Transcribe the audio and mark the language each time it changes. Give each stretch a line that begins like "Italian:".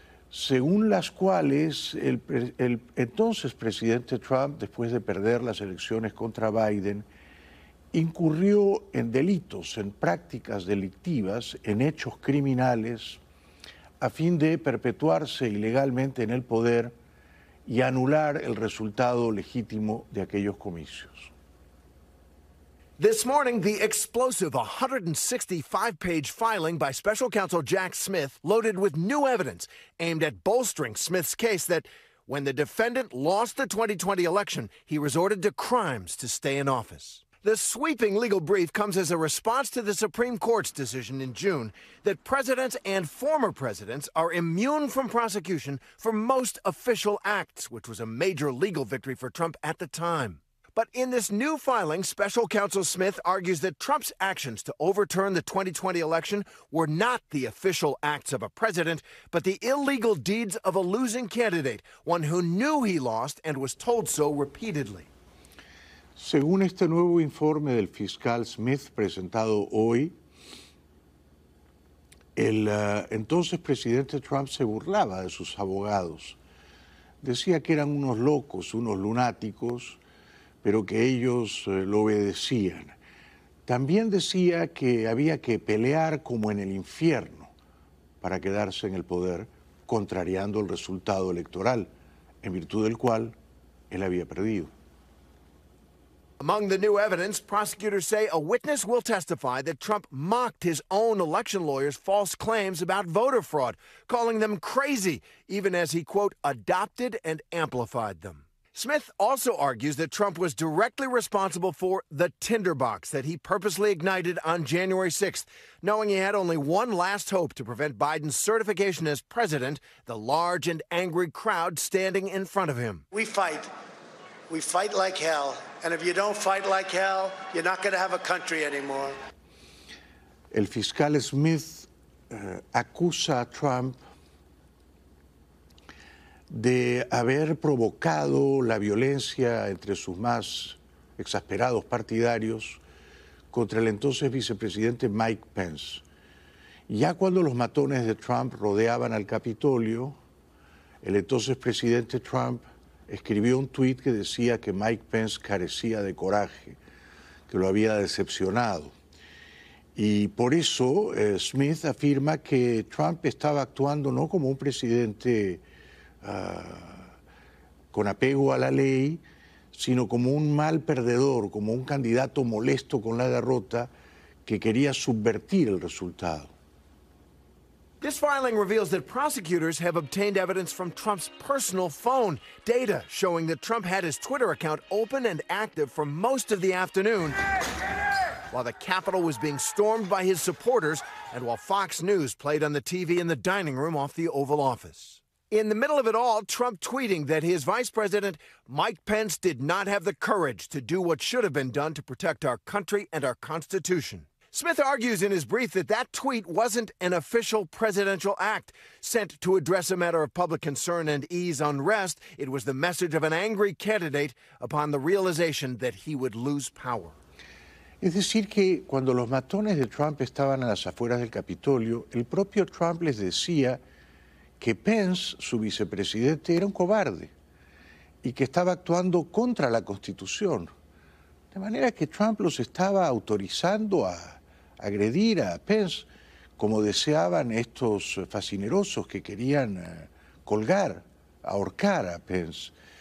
Spanish: según las cuales el entonces presidente Trump, después de perder las elecciones contra Biden, incurrió en delitos, en prácticas delictivas, en hechos criminales, a fin de perpetuarse ilegalmente en el poder y anular el resultado legítimo de aquellos comicios.
English: This morning, the explosive 165-page filing by Special Counsel Jack Smith, loaded with new evidence aimed at bolstering Smith's case that when the defendant lost the 2020 election, he resorted to crimes to stay in office. The sweeping legal brief comes as a response to the Supreme Court's decision in June that presidents and former presidents are immune from prosecution for most official acts, which was a major legal victory for Trump at the time. But in this new filing, Special Counsel Smith argues that Trump's actions to overturn the 2020 election were not the official acts of a president, but the illegal deeds of a losing candidate, one who knew he lost and was told so repeatedly.
Spanish: Según este nuevo informe del fiscal Smith presentado hoy, el entonces presidente Trump se burlaba de sus abogados. Decía que eran unos locos, unos lunáticos, pero que ellos lo obedecían. También decía que había que pelear como en el infierno para quedarse en el poder, contrariando el resultado electoral, en virtud del cual él había perdido.
English: Among the new evidence, prosecutors say a witness will testify that Trump mocked his own election lawyers' false claims about voter fraud, calling them crazy, even as he, quote, adopted and amplified them. Smith also argues that Trump was directly responsible for the tinderbox that he purposely ignited on January 6th, knowing he had only one last hope to prevent Biden's certification as president, the large and angry crowd standing in front of him. We fight. We fight like hell. And if you don't fight like hell, you're not going to have a country anymore.
Spanish: El fiscal Smith acusa a Trump de haber provocado la violencia entre sus más exasperados partidarios contra el entonces vicepresidente Mike Pence. Ya cuando los matones de Trump rodeaban al Capitolio, el entonces presidente Trump escribió un tuit que decía que Mike Pence carecía de coraje, que lo había decepcionado. Y por eso Smith afirma que Trump estaba actuando no como un presidente con apego a la ley, sino como un mal perdedor, como un candidato molesto con la derrota que quería subvertir el resultado.
English: This filing reveals that prosecutors have obtained evidence from Trump's personal phone, data showing that Trump had his Twitter account open and active for most of the afternoon, while the Capitol was being stormed by his supporters and while Fox News played on the TV in the dining room off the Oval Office. In the middle of it all, Trump tweeting that his vice president, Mike Pence, did not have the courage to do what should have been done to protect our country and our Constitution. Smith argues in his brief that that tweet wasn't an official presidential act sent to address a matter of public concern and ease unrest. It was the message of an angry candidate upon the realization that he would lose power.
Spanish: Es decir que cuando los matones de Trump estaban a las afueras del Capitolio, el propio Trump les decía que Pence, su vicepresidente, era un cobarde y que estaba actuando contra la Constitución. De manera que Trump los estaba autorizando a agredir a Pence como deseaban estos fascinerosos que querían colgar, ahorcar a Pence.